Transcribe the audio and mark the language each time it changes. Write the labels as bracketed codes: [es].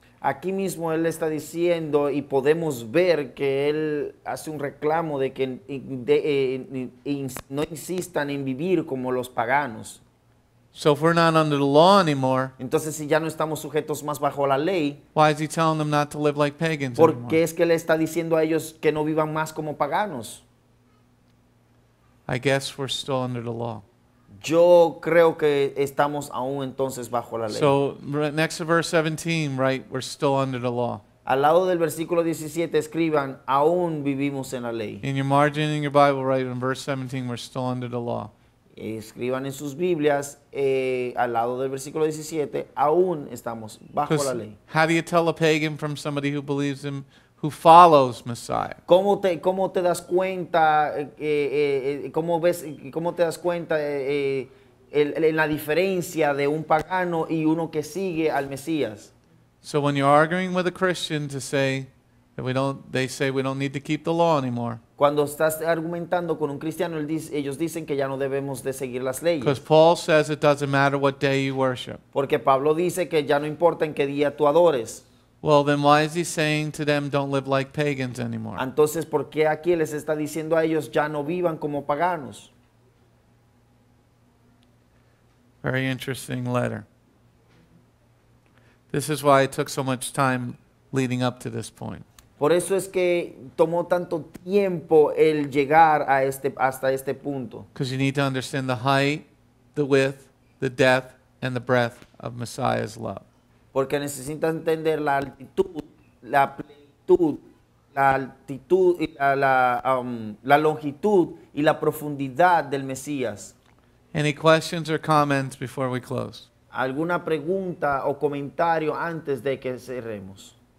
[es] Aquí mismo él está diciendo y podemos ver que él hace un reclamo de que no insistan en vivir como los paganos. [en] So if we're not under the law anymore, [es] entonces si ya no estamos sujetos más bajo la ley, [en] why is he telling them not to live like pagans? [es] Porque es que él está diciendo a ellos que no vivan más como paganos. [en] I guess we're still under the law. [es] Yo creo que estamos aún entonces bajo la ley. [en] So, next to verse 17, right, we're still under the law. [es] Al lado del versículo 17 escriban, aún vivimos en la ley. [en] In your margin in your Bible, write in verse 17, we're still under the law. [es] Escriban en sus Biblias, al lado del versículo 17, aún estamos bajo la ley. [en] How do you tell a pagan from somebody who believes in, who follows Messiah? [es] ¿Cómo te das cuenta en la diferencia de un pagano y uno que sigue al Mesías? [en] So when you're arguing with a Christian to say that they say we don't need to keep the law anymore. [es] Cuando estás argumentando con un cristiano, ellos dicen que ya no debemos de seguir las leyes. [en] Because Paul says it doesn't matter what day you worship. [es] Porque Pablo dice que ya no importa en qué día tú adores. [en] Well, then why is he saying to them, don't live like pagans anymore? [es] Entonces, ¿por qué aquí les está diciendo a ellos ya no vivan como paganos? [en] Very interesting letter. This is why it took so much time leading up to this point. [es] Por eso es que tomó tanto tiempo el llegar a este, hasta este punto. [en] Because you need to understand the height, the width, the depth, and the breadth of Messiah's love. [es] Porque necesitas entender la altitud, la plenitud, la altitud y la longitud y la profundidad del Mesías. [en] Any questions or comments before we close? [es] ¿Alguna pregunta o comentario antes de que cerremos?